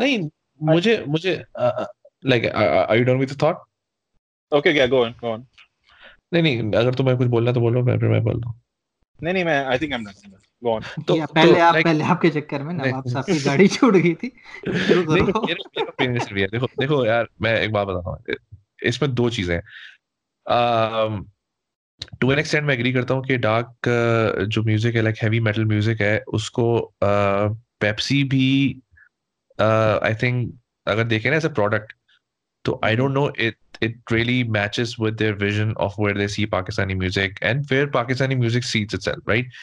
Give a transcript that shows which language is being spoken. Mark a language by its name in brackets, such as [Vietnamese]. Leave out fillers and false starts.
[English] are you done with the thought? Okay, yeah, go on. [Hindi] नहीं नहीं अगर तुम्हें कुछ बोलना है तो बोलो मैं फिर मैं बोल दूँ नहीं नहीं मैं [English] I think I'm done go on [Hindi] तो पहले आप like, पहले आपके चक्कर में ना आप साथ की गाड़ी छूट गई थी नहीं ये मेरा देखो देखो यार मैं एक बात बताता हूँ इसमें दो चीजें हैं [English] To an extent, [Hindi] मैं agree करता हूँ कि [English] dark जो music है like heavy metal music है उसको Pepsi भी I think [Hindi] अगर देखें ना ऐसे product तो [English] I don't know it really matches with their vision of where they see Pakistani music and where Pakistani music sees itself, right?